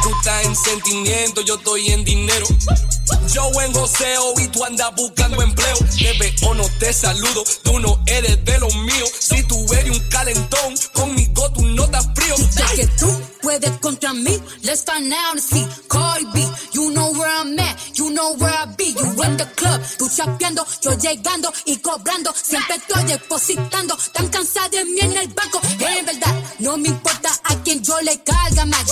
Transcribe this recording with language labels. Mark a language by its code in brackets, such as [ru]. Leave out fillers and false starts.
[es] Tú estás en sentimiento, yo estoy en dinero. Yo en goceo y tú andas buscando empleo. Te veo, no te saludo, tú no eres de los míos. Si tú eres un calentón, conmigo tú no estás frío. Ya que tú puedes contra mí, [en] let's find out and see. Cardi B, you know where I'm at, you know where I be. You run the club, [es] tú chapeando, yo llegando y cobrando. Siempre estoy depositando, tan cansada de mí en el banco. En verdad, no me importa a quién yo le carga más.